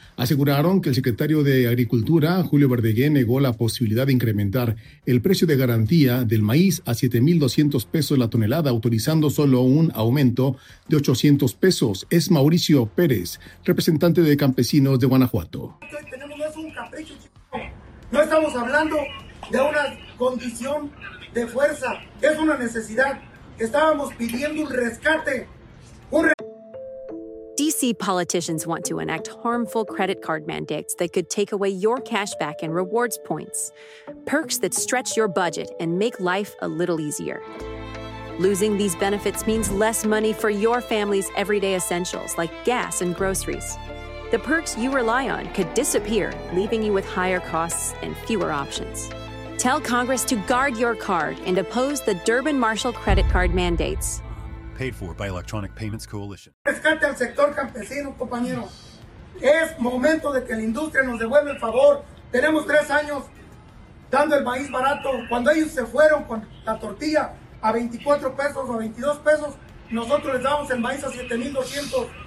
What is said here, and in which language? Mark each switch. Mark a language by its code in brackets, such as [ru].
[es] Aseguraron que el secretario de Agricultura, Julio Verdeguer, negó la posibilidad de incrementar el precio de garantía del maíz a 7.200 pesos la tonelada, autorizando solo un aumento de 800 pesos. Es Mauricio Pérez, representante de campesinos de Guanajuato. Tenemos un capricho, no estamos hablando de una condición de fuerza, es una necesidad. Estábamos pidiendo un rescate. [en] DC politicians want to enact harmful credit card mandates that could take away your cash back and rewards points. Perks that stretch your budget and make life a little easier. Losing these benefits means less money for your family's everyday essentials like gas and groceries. The perks you rely on could disappear, leaving you with higher costs and fewer options. Tell Congress to guard your card and oppose the Durbin-Marshall credit card mandates. Paid for by Electronic Payments Coalition. [es] Rescate al sector campesino, compañero. Es momento de que la industria nos devuelva el favor. Tenemos 3 años dando el maíz barato. Cuando ellos se fueron con la tortilla a 24 pesos o 22 pesos, nosotros les damos el maíz a 7,200.